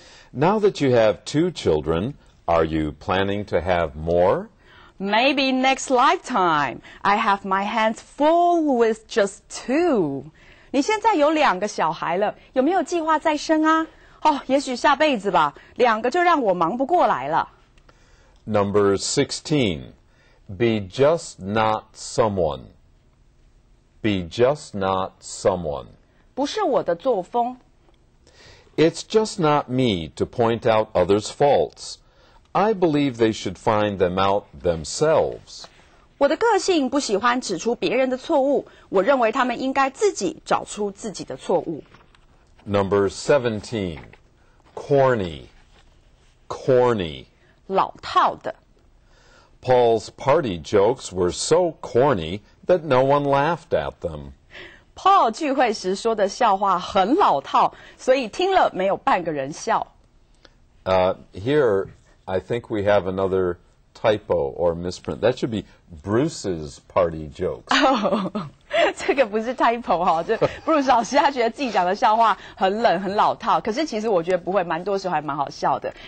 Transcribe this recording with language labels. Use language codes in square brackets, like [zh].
[en] Now that you have two children, are you planning to have more? Maybe next lifetime. I have my hands full with just two. [zh] 你现在有两个小孩了，有没有计划再生啊？哦，也许下辈子吧，两个就让我忙不过来了。 [en] Number 16. Be just not someone. Be just not someone. [zh] 不是我的作风。 [en] It's just not me to point out others' faults. I believe they should find them out themselves. [zh] 我的个性不喜欢指出别人的错误，我认为他们应该自己找出自己的错误。 [en] Number 17, corny, corny. [zh] 老套的。 [en] Paul's party jokes were so corny that no one laughed at them. [zh] Paul 聚会时说的笑话很老套，所以听了没有半个人笑。 [en] Here, I think we have another typo or misprint. That should be Bruce's party jokes. [zh] 这个不是 typo 哈、哦，就 Bruce 老师他觉得自己讲的笑话很冷很老套，可是其实我觉得不会，蛮多时候还蛮好笑的。